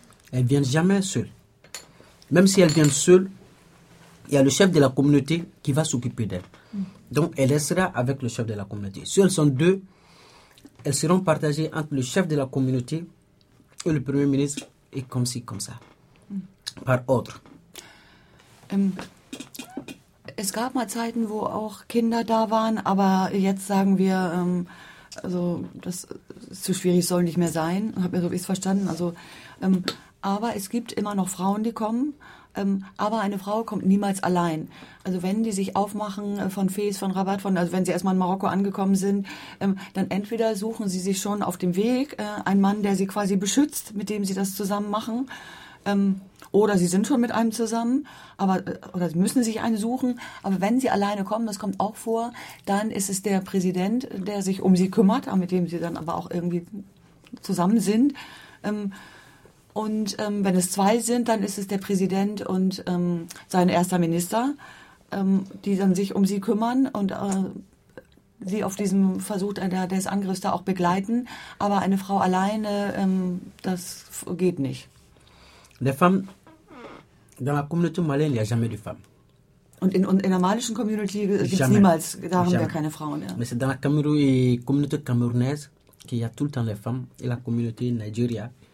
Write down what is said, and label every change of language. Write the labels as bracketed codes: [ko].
[fr] Elles ne viennent jamais seules. Même si elles viennent seules, il y a le chef de la communauté qui va s'occuper d'elles. Donc elle restera avec le chef de la communauté. Si elles sont deux, elles seront partagées entre le chef de la communauté et le premier ministre, et comme ci, comme ça, par ordre. [de] Es gab mal Zeiten, wo auch Kinder da waren, aber jetzt sagen wir, also das ist zu schwierig, soll nicht mehr sein, habe ich so wie es verstanden. Also, aber es gibt immer noch Frauen, die kommen. Aber eine Frau kommt niemals allein. Also wenn die sich aufmachen von Fes, von Rabat, also wenn sie erstmal in Marokko angekommen sind, dann entweder suchen sie sich schon auf dem Weg einen Mann, der sie quasi beschützt, mit dem sie das zusammen machen, oder sie sind schon mit einem zusammen, aber oder sie müssen sich einen suchen. Aber wenn sie alleine kommen, das kommt auch vor, dann ist es der Präsident, der sich um sie kümmert, mit dem sie dann aber auch irgendwie zusammen sind. Und wenn es zwei sind, dann ist es der Präsident und sein erster Minister, die dann sich um sie kümmern und sie auf diesem Versuch des Angriffs da auch begleiten. Aber eine Frau alleine, das geht nicht. [fr] Les femmes, dans la communauté malienne, il n'y a jamais de femmes. [de] Und in der malischen Community gibt es niemals, da haben wir keine Frauen. Ja. [fr] Mais c'est dans la communauté camerounaise qu'il y a tout le temps les femmes et la communauté Nigeria.